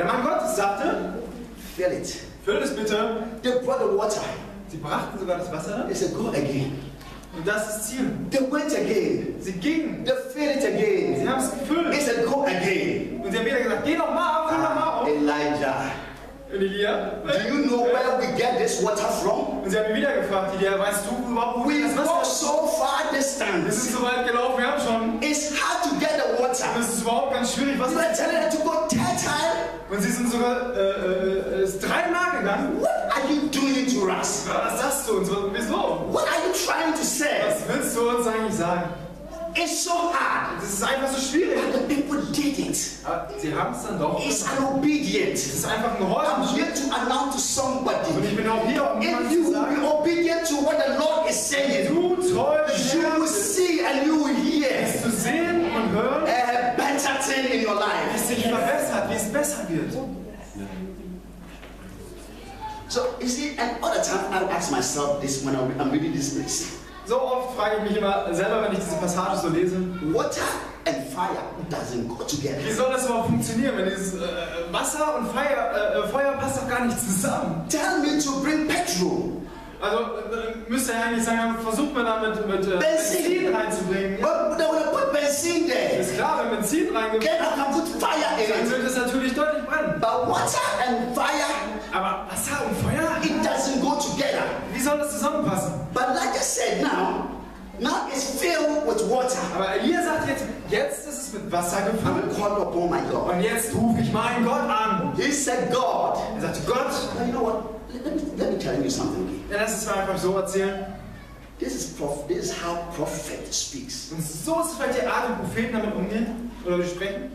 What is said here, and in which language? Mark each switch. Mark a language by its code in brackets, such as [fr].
[de] Aber der Mann Gottes sagte, [en] fill it. [de] Füll es bitte. [en] They brought the water. [de] Sie brachten sogar das Wasser. [en] They said, go again. [de] Und das ist Ziel. [en] They went again. [de] Sie gingen. [en] They filled it again. [de] Sie haben es gefüllt. [en] They said, go again. [de] Und sie haben wieder gesagt, geh noch mal, füll noch mal. [en] Elijah. [de] Elijah. [en] Do you know where we get this water from? [de] Und sie haben wieder gefragt, Elijah, weißt du überhaupt, wo das Wasser [en] so far distant. [de] Es ist so weit gelaufen, wir haben schon. [en] It's hard to get the water. [de] Es ist überhaupt ganz schwierig, was ist das? [en] To go 10 times. [de] Und sie sind sogar dreimal gegangen. [en] What are you doing to us? [de] Was sagst du uns? Wieso? [en] What are you trying to say? [de] Was willst du uns eigentlich sagen? [en] It's so hard. [de] Es ist einfach so schwierig. [en] But the people did it. [de] Sie haben es dann doch. [en] It's an obedient. [de] Es ist einfach ein Gehorsam. [en] I'm here to announce to somebody. [de] Und ich bin auch hier, um [en] if you will be obedient to what the Lord is saying, [de] du treu, [en] you will see and you will hear. [de] Es zu sehen und hören. [en] A better thing in your life. [de] Wie es sich verbessert, wie es besser wird. [en] So, you see, and other times I ask myself this when I'm reading this place. [de] So oft frage ich mich immer selber, wenn ich diese Passage so lese. [en] Water and fire doesn't go together. [de] Wie soll das überhaupt funktionieren, wenn dieses Wasser und Feuer passt doch gar nicht zusammen. [en] Tell me to bring petrol. [de] Also müsste ja eigentlich sagen, versucht man damit mit Benzin reinzubringen. [en] But put Benzin there. [de] Ist klar, wenn Benzin reingebracht wird, dann [en] put fire in. [de] Wird es natürlich deutlich brennen. [en] But water and fire. [de] Aber Wasser und Feuer? [en] It doesn't go together. [de] Wie soll das zusammenpassen? [en] But like I said, now it's filled with water. [de] Aber Elia sagt jetzt ist es mit Wasser gefüllt. [en] Call upon my God. [de] Und jetzt rufe ich meinen Gott an. [en] He said God. [de] Er sagt Gott. [en] But you know what? Let me tell you something. Again. [de] Ja, lass es mir einfach so erzählen. [en] This is how prophet speaks. [de] Und so ist vielleicht die Art, wie Propheten damit umgehen oder wie sprechen.